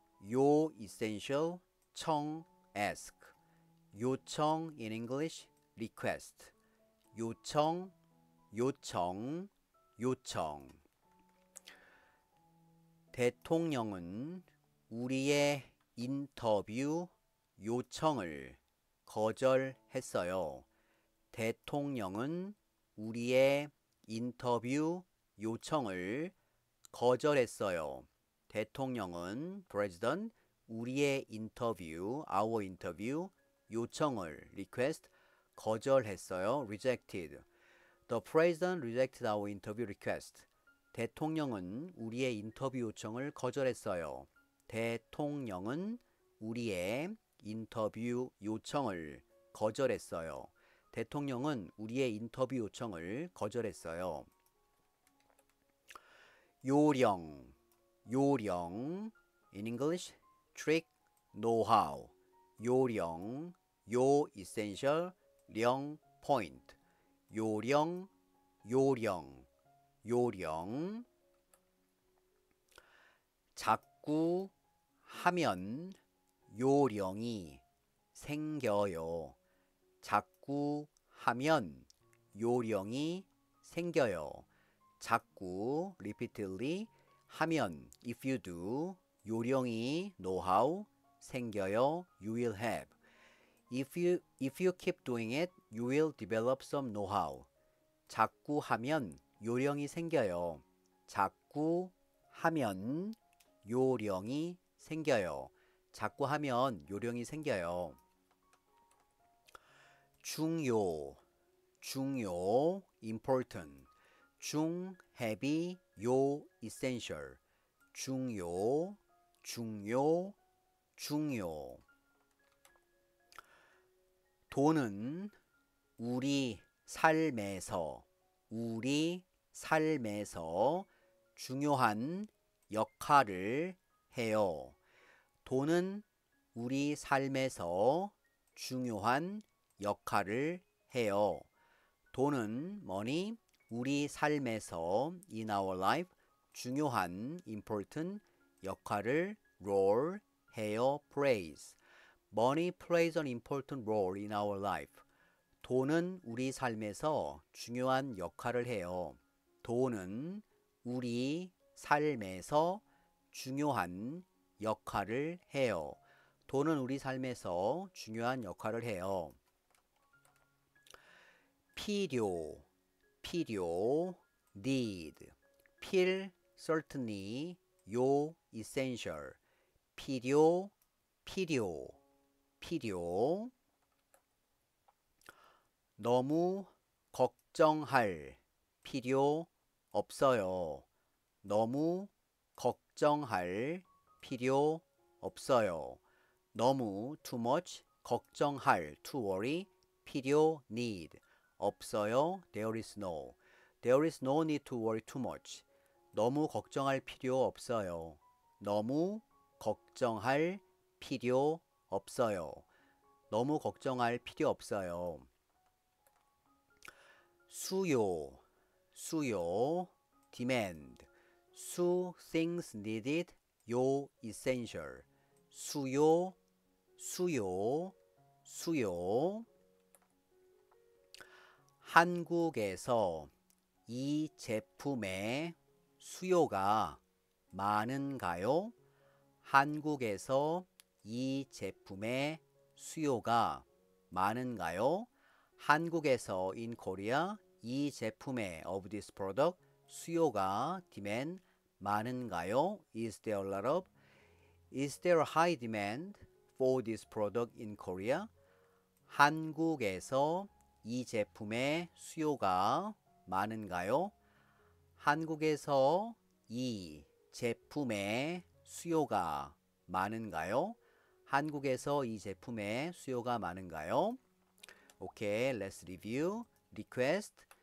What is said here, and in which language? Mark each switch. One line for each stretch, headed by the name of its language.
Korean: 요 essential, 청 ask.
English: 요청 in English, request.
Korean: 요청, 요청, 요청. 대통령은 우리의 인터뷰 요청을 거절했어요. 대통령은 우리의 인터뷰 요청을 거절했어요. 대통령은 president 우리의 인터뷰
English: our interview
Korean: 요청을 request 거절했어요.
English: rejected. The president rejected our interview request.
Korean: 대통령은 우리의 인터뷰 요청을 거절했어요. 대통령은 우리의 인터뷰 요청을 거절했어요. 대통령은 우리의 인터뷰 요청을 거절했어요. 요령 요령 in English
English: trick know-how
Korean: 요령 요 essential 령 point 요령 요령 요령 자꾸 하면 요령이 생겨요. 자꾸 하면 요령이 생겨요. 자꾸 repeatedly 하면
English: if you do
Korean: 요령이 know-how 생겨요.
English: You will have. If you keep doing it, you will develop some know-how.
Korean: 자꾸 하면 요령이 생겨요. 자꾸 하면 요령이 생겨요. 자꾸 하면 요령이 생겨요. 중요, 중요, important. 중, heavy, 요, essential. 중요, 중요, 중요. 돈은 우리 삶에서, 우리 삶에서 중요한 역할을 해요. 돈은 우리 삶에서 중요한 역할을 해요. 돈은 money 우리 삶에서
English: in our life
Korean: 중요한 important 역할을 role 해요.
English: Plays. Money plays an important role in our life.
Korean: 돈은 우리 삶에서 중요한 역할을 해요. 돈은 우리 삶에서 중요한 역할을 해요. 돈은 우리 삶에서 중요한 역할을 해요. 필요, 필요, need. 필, certainly, 요, essential. 필요, 필요, 필요. 너무 걱정할 필요 없어요. 너무 걱정할 필요 없어요. 너무 too much 걱정할
English: to worry
Korean: 필요 need 없어요.
English: There is no need to worry too much.
Korean: 너무 걱정할 필요 없어요. 너무 걱정할 필요 없어요. 너무 걱정할 필요 없어요. 수요 수요 demand 수
English: things needed
Korean: 요 essential 수요 수요 수요 한국에서 이 제품에 수요가 많은가요? 한국에서 이 제품에 수요가 많은가요? 한국에서
English: in Korea
Korean: 이 제품에
English: of this product
Korean: 수요가 demand 많은가요?
English: Is there a high demand for this product in Korea?
Korean: 한국에서 이 제품의 수요가 많은가요? 한국에서 이 제품의 수요가 많은가요? 한국에서 이 제품의 수요가 많은가요?
English: Okay, let's review. Request.